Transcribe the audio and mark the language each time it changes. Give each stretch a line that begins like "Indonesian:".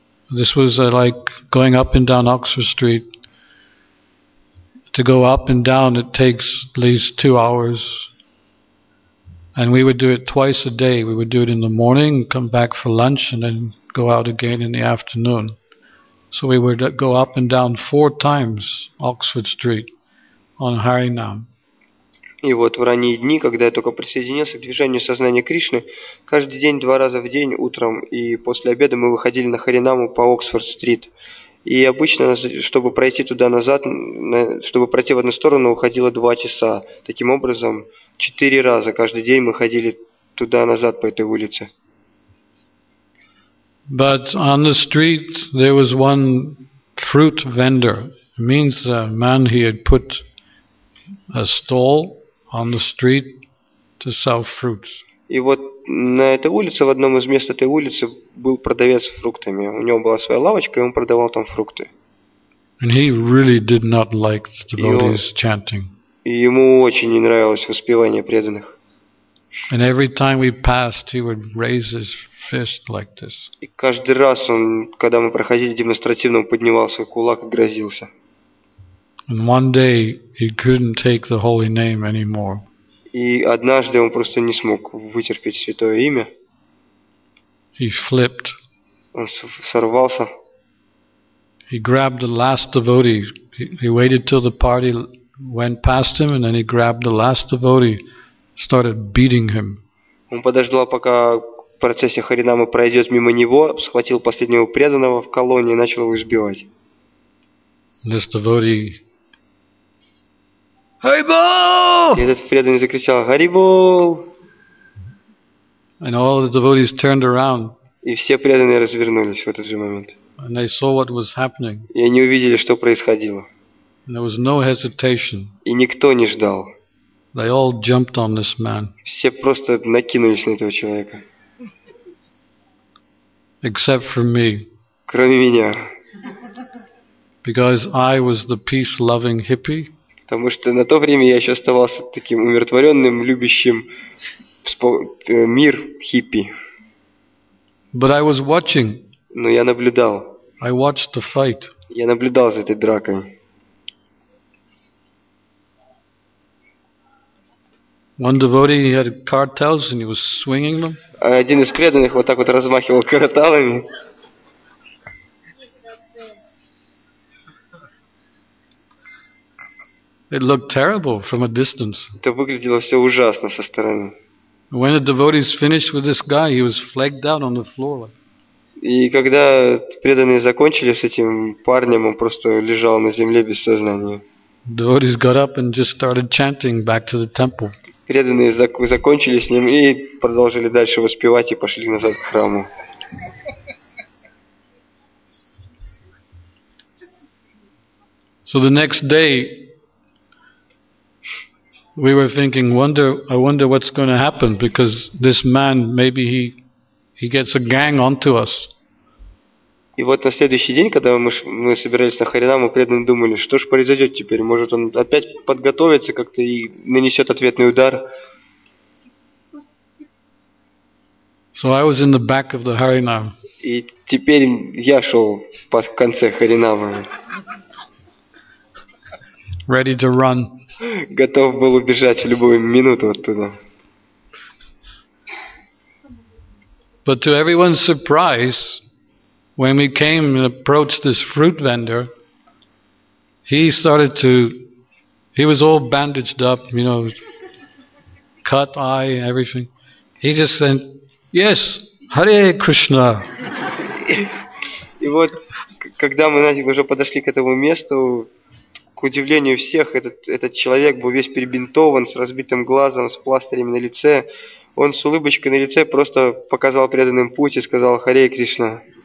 English: This was like going up and down Oxford Street. To go up and down, it takes at least 2 hours. And we would do it twice a day. We would do it in the morning, come back for lunch, and then go out again in the afternoon. So we would go up and down 4 times Oxford Street on Harinam.
Russian: И вот в ранние дни, когда я только присоединился к движению сознания Кришны, каждый день 2 раза в день, утром и после обеда, мы выходили на Харинаму по Оксфорд-стрит. И обычно, чтобы пройти туда-назад, чтобы пройти в одну сторону, уходило 2 часа. Таким образом, 4 раза каждый день мы ходили туда-назад по этой улице.
English: But on the street there was one fruit vendor. It means a man, he had put a stall on the street to sell fruits.
Russian: И вот на этой улице, в одном из мест этой улицы, был продавец фруктами. У него была своя лавочка, и он продавал там фрукты.
English: And he really did not like the devotees chanting.
Russian: И ему очень не нравилось воспевание преданных.
English: And every time we passed, he would raise his fist like this.
Russian: И каждый раз он, когда мы проходили, демонстративно поднимал свой кулак и грозился.
English: And one day he couldn't take the holy name anymore.
Russian: И однажды он просто не смог вытерпеть святое имя.
English: He flipped.
Russian: Он сорвался.
English: He grabbed the last devotee. He waited till the party went past him, and then he grabbed the last devotee. Started beating him.
Russian: Он подождал, пока процессия Харинамы пройдет мимо него, схватил последнего преданного в колонии и начал его избивать.
English: This devotee,
Russian: Харибол! И этот преданный закричал: Харибол!
English: And all the devotees turned around.
Russian: И все преданные развернулись в этот же момент.
English: And they saw what was happening.
Russian: И они увидели, что происходило.
English: And there was no hesitation.
Russian: И никто не ждал.
English: They all jumped on this man.
Russian: Все просто накинулись на этого человека.
English: Except for me.
Russian: Кроме меня.
English: Because I was the peace-loving hippie.
Russian: Потому что на то время я еще оставался таким умиротворенным, любящим мир хиппи.
English: But I was watching.
Russian: Но я наблюдал.
English: I watched the fight.
Russian: Я наблюдал за этой дракой.
English: One devotee, he had cartels and he was swinging them.
Russian: Один из преданных вот так вот размахивал карталами.
English: It looked terrible from a distance.
Russian: Это выглядело все ужасно со стороны.
English: When the devotees finished with this guy, he was flagged out on the floor.
Russian: И когда преданные закончили с этим парнем, он просто лежал на земле без сознания.
English: Devotees got up and just started chanting back to the temple.
Russian: Преданные закончили с ним и продолжили дальше воспевать и пошли назад к храму.
English: So the next day we were thinking, I wonder what's going to happen, because this man, maybe he gets a gang onto us.
Russian: И вот на следующий день, когда мы собирались на Харинаму, преданные думали, что же произойдет теперь? Может, он опять подготовится как-то и нанесет ответный удар?
English: So I was in the back of the Harinam.
Russian: И теперь я шел по конце Харинамы.
English: Ready to run.
Russian: Готов был убежать в любую минуту оттуда.
English: But to everyone's surprise, when we came and approached this fruit vendor, he was all bandaged up, you know, cut eye and everything. He just said, "Yes, Hare Krishna."
Russian: И вот, когда мы уже подошли к этому месту, к удивлению всех, этот человек был весь перебинтован, с разбитым глазом, с пластырем на лице. Он с улыбочкой на лице просто показал преданным путь и сказал: "Hare Krishna."